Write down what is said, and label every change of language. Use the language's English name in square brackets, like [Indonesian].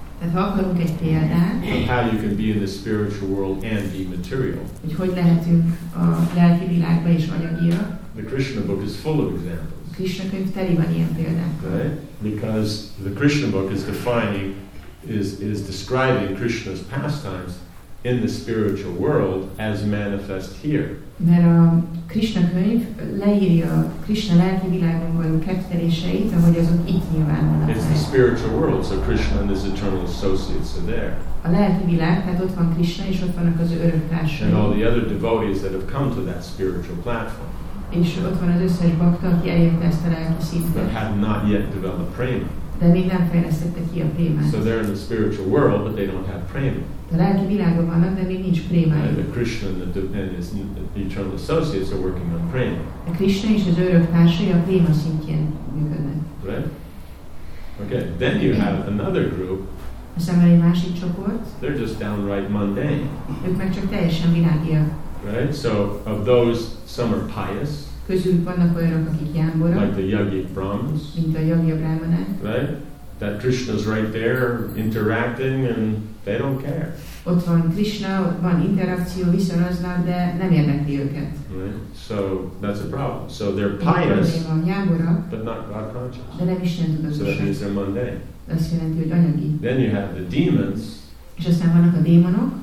[Hungarian] Tehát ha akarunk egy példát, [English] how you can be in the spiritual world and be material. [Hungarian] Hogy hogy lehetünk a lelki világban is anyagiak. [English] The Krishna book is full of examples. [Hungarian] Krishna könyv teli van ilyen példák. [English] Right? Because the Krishna book is defining, is describing Krishna's pastimes in the spiritual world as manifest here. [Hungarian] Mert a Krishna könyv leírja Krishna lelki világban való kettereseit, ahogy azok itt nyilvánulnak. [English] It's the spiritual world, so Krishna and his eternal associates are there. [Hungarian] A lelki világ, tehát ott van Krishna és ott vannak az ő örök társai. [English] And all the other devotees that have come to that spiritual platform. [Hungarian] És ott van az összes bhakta, aki eljött ezt a lelki szintre. [English] But have not yet developed prema. [Hungarian] De még nem fejlesztette ki a prémát. [English] So they're in the spiritual world, but they don't have prema. [Hungarian] A lelki világban vannak, de még nincs prémájuk. [English] The Krishna and his eternal associates are working on prema. [Hungarian] A Krishna és az örök társai a prema szintjén működnek. [English] Right? Okay, then you have another group. [Hungarian] A szemben egy másik csoport. [English] They're just downright mundane. [Hungarian] Ők meg csak teljesen világiak. [English] Right? So, of those, some are pious. [Hungarian] Közülük vannak olyanok, akik jámborak. [English] Like the yogi brahmins. [Hungarian] Mint a yogi brahmanák. [English] Right? That Krishna's right there interacting and they don't care. [Hungarian] Ott van Krishna, ott van interakció, viszonoznak, de nem érdekli őket. [English] So that's a problem. So they're pious, but not God conscious. [Hungarian] De nem Isten tudatosak. [English] So that means they're mundane. [Hungarian] Azt jelenti, hogy anyagi. [English] Then you have the demons. [Hungarian] És aztán vannak a démonok.